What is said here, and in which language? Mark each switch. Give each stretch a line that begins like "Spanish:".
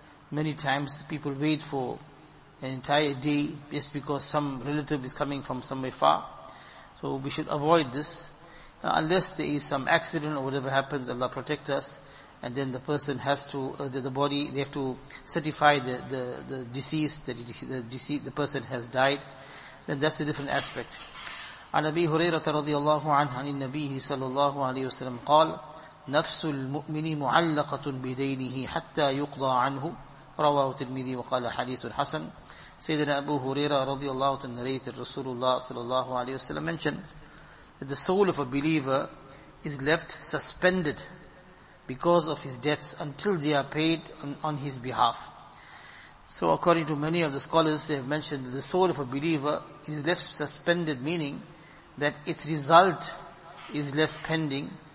English: Many times people wait for an entire day just because some relative is coming from somewhere far. So we should avoid this. Unless there is some accident or whatever happens, Allah protect us. And then the person has to, they have to certify the deceased, that the deceased, the person has died. Then that's a different aspect.
Arabic: عن أبي هريرة رضي الله عنه عن النبي صلى الله عليه وسلم قال نفس المؤمن معلقة بدينه حتى يقضى عنه رواه الترمذي وقال حديث حسن. سيدنا أبو هريرة رضي الله عنه
English: narrated
Arabic: رسول الله صلى الله عليه وسلم
English: mentioned that the soul of a believer is left suspended because of his debts until they are paid on his behalf. So according to many of the scholars, they have mentioned that the soul of a believer is left suspended, meaning that its result is left pending.